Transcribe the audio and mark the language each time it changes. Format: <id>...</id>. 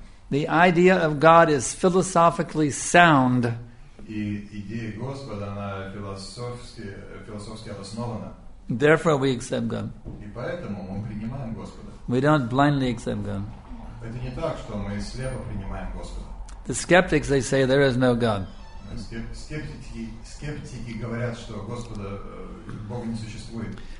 <en>The idea of God is philosophically sound.</en> <ru>Идея Господа, она философски обоснована.</ru> <en>Therefore we accept God.</en> <ru>И поэтому мы принимаем Господа.</ru> <en>We don't blindly accept God.</en> <ru>Это не так, что мы слепо принимаем Господа.</ru> <en>The skeptics, they say, there is no God.</en> <ru>Скептики говорят, что Господа, Бога не существует.</ru>